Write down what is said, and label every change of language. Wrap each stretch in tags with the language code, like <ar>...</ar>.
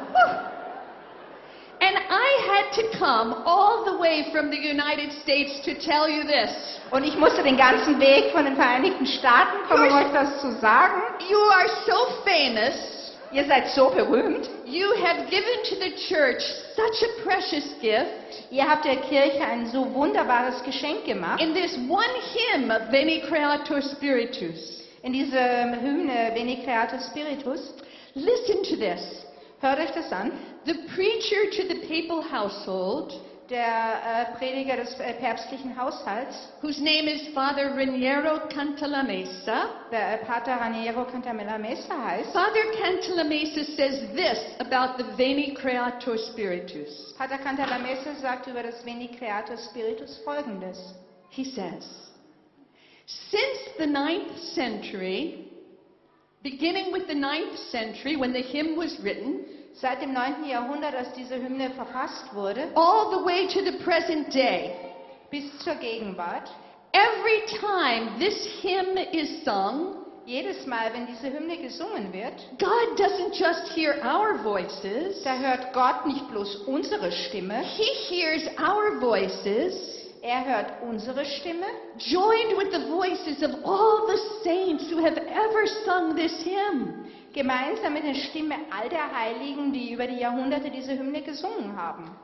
<en>And I had to come all the way from the United States to tell you this.</en> <de>Und ich musste den ganzen Weg von den Vereinigten Staaten kommen, um euch das zu sagen.</de> <en>You are so famous.</en> <de>Ihr seid so berühmt.</de> <en>You have given to the church such a precious gift.</en> <de>Ihr habt der Kirche ein so wunderbares Geschenk gemacht.</de> <en>In this one hymn of Veni Creator Spiritus.</en> <de>In diesem Hymne Veni Creator Spiritus.</de> <en>Listen to this.</en> <de>Hört euch das an.</de> <en>The preacher to the papal household,</en> <de>der Prediger des päpstlichen Haushalts,</de> <en>whose name is Father Raniero Cantalamessa,</en> <de>der Pater Raniero Cantalamessa heißt.</de> <en>Father Cantalamessa says this about the Veni Creator Spiritus.</en> <de>Pater Cantalamessa sagt über das Veni Creator Spiritus Folgendes.</de> <en>He says, since the 9th century, beginning with the 9th century when the hymn was written,</en> <de>seit dem 9. Jahrhundert, als diese Hymne verfasst wurde,</de> <en>all the way to the present day,</en> <de>bis zur Gegenwart,</de> <en>every time this hymn is sung,</en> <de>jedes Mal, wenn diese Hymne gesungen wird,</de> <en>God doesn't just hear our voices,</en> <de>da hört Gott nicht bloß unsere Stimme,</de> <en>he hears our voices,</en> <de>er hört unsere Stimme,</de> <en>joined with the voices of all the saints who have ever sung this hymn,</en> <de>gemeinsam mit der Stimme all der Heiligen, die über die Jahrhunderte diese Hymne gesungen haben.</de>